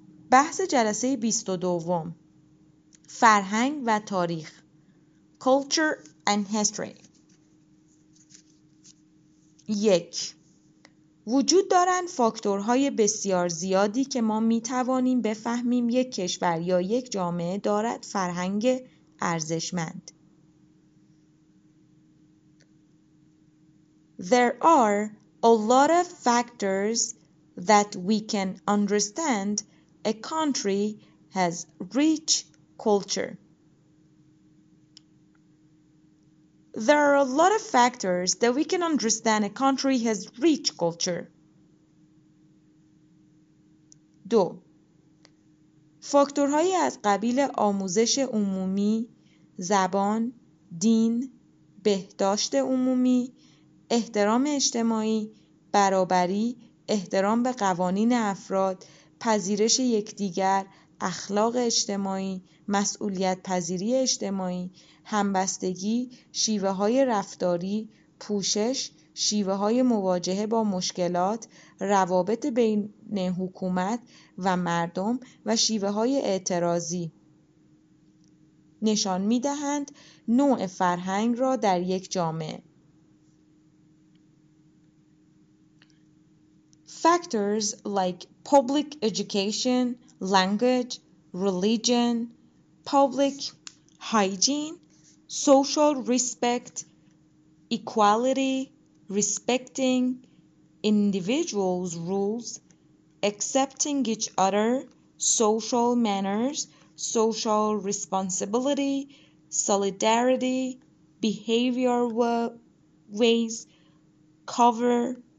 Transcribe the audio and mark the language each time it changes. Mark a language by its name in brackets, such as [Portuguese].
[Persian] بحث جلسه 22، فرهنگ و تاریخ، [English] Culture and History. 1. [Persian] وجود دارند فاکتورهای بسیار زیادی که ما می توانیم بفهمیم یک کشور یا یک جامعه دارد فرهنگ ارزشمند. [English] There are a lot of factors that we can understand a country has rich culture. There are a lot of factors that we can understand a country has rich culture. 2. [Persian] فاکتورهایی از قبیل آموزش عمومی، زبان، دین، بهداشت عمومی، احترام اجتماعی، برابری، احترام به قوانین افراد، پذیرش یکدیگر، اخلاق اجتماعی، مسئولیت پذیری اجتماعی، همبستگی، شیوه های رفتاری، پوشش، شیوه های مواجهه با مشکلات، روابط بین حکومت و مردم و شیوه های اعتراضی نشان می دهند نوع فرهنگ را در یک جامعه. [English] Factors like public education, language, religion, public hygiene, social respect, equality, respecting individuals' rules, accepting each other, social manners, social responsibility, solidarity, behavior ways, cover,